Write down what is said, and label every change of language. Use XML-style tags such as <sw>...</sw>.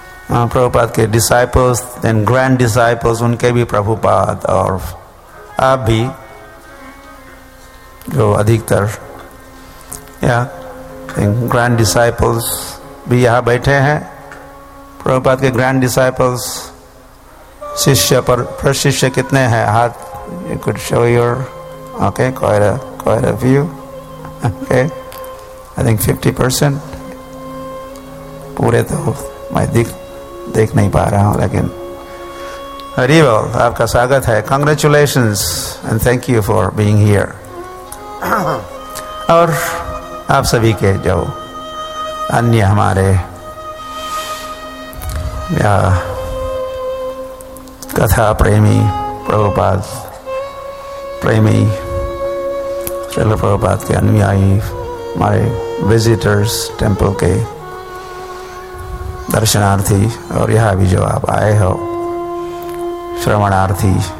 <hi>प्रभुपाद के disciples and grand disciples उनके भी प्रभुपाद, और आप भी जो अधिकतर ग्रैंड डिसाइपल्स भी यहाँ बैठे हैं, प्रभुपाद के ग्रैंड डिसाइपल्स शिष्य पर प्रशिष्य कितने हैं? हाथ,</hi> <en>You could show your Okay, quite a view. Okay, I think 50%</en> <hi>पूरे तो मैं देख नहीं पा रहा हूँ, लेकिन हरी बोल, आपका स्वागत है.</hi> <en>Congratulations and thank you for being here.</en> <hi>और आप सभी के जो अन्य हमारे कथा प्रेमी प्रभुपाद प्रेमी श्रील प्रभुपाद के अनुयायी हमारे विजिटर्स टेम्पल के दर्शनार्थी और यहाँ भी जो आप आए हो श्रवणार्थी,</hi>